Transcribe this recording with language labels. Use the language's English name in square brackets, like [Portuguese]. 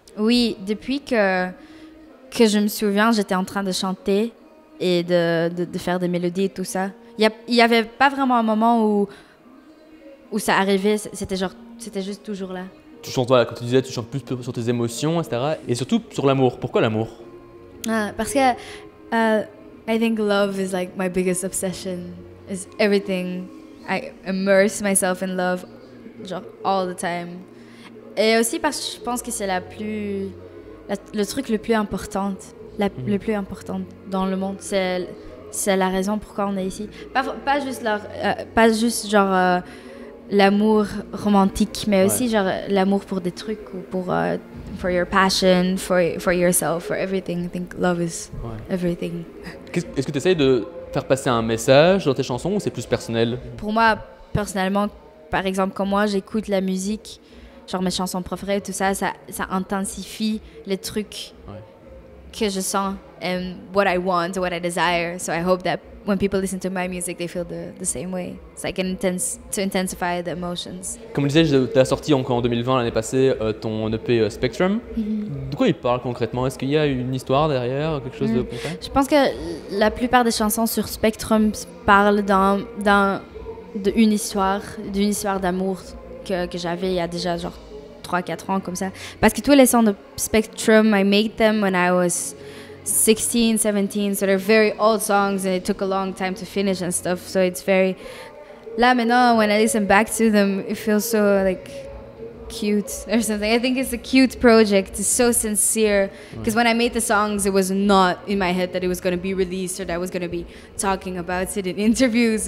[French] Oui, depuis que je me souviens, j'étais en train de chanter et de faire des mélodies et tout ça. Il y avait pas vraiment un moment où ça arrivait. C'était juste toujours là. Tu chantes, voilà, comme tu disais, tu chantes plus sur tes émotions, etc. Et surtout sur l'amour. Pourquoi l'amour? Parce que [English] I think love is like my biggest obsession. It's everything. I immerse myself in love, genre all the time. [French] Et aussi parce que je pense que c'est le truc le plus important, le plus important dans le monde. C'est la raison pourquoi on est ici. Pas juste l'amour romantique, mais aussi genre l'amour pour des trucs ou pour [English] for your passion, for yourself, for everything. I think love is everything. [French] Est-ce que tu essayes de faire passer un message dans tes chansons ou c'est plus personnel? Pour moi, personnellement, par exemple, quand moi j'écoute la musique, genre mes chansons préférées, tout ça, ça intensifie les trucs que je sens [English] and what I want, what I desire. So I hope that when people listen to my music, they feel the same way. It's like to intensify the emotions. [French] Comme je disais, tu as sorti encore en 2020, l'année passée, ton EP Spectrum. Mm-hmm. De quoi il parle concrètement? Est-ce qu'il y a une histoire derrière, quelque chose de concret? Je pense que la plupart des chansons sur Spectrum parlent d'une histoire d'amour que j'avais il y a déjà genre 3-4 ans comme ça. Parce que tous les sons de Spectrum, [English] I made them when I was 16, 17, so they're very old songs and it took a long time to finish and stuff, so it's very... [French] Là maintenant, [English] when I listen back to them, it feels so, like, cute or something. I think it's a cute project, it's so sincere. Because when I made the songs, it was not in my head that it was going to be released or that I was going to be talking about it in interviews.